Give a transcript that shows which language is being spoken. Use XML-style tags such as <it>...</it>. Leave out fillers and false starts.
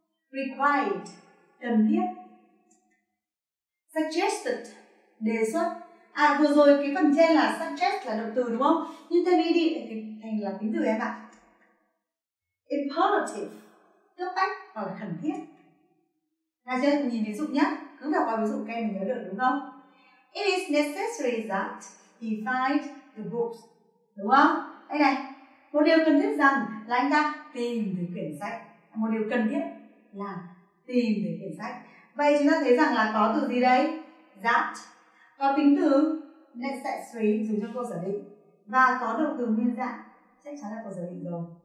<vi>Required, cần thiết. Suggested, đề xuất. À vừa rồi cái phần trên là suggest là động từ đúng không? Nhưng thêm ed thì thành là tính từ em ạ. Imperative, cấp bách hoặc khẩn thiết. Nào chơi nhìn ví dụ nhé, cứ đọc qua ví dụ kem mình nhớ được đúng không?</vi> <en>It is necessary that he find the books,</en> <vi>đúng không? Đây này, một điều cần thiết rằng là anh ta tìm được quyển sách. Một điều cần thiết là tìm được quyển sách. Vậy chúng ta thấy rằng là có từ gì đây? That có tính từ necessary dùng cho câu giả định và có động từ nguyên dạng chắc chắn là câu giả định rồi.</vi>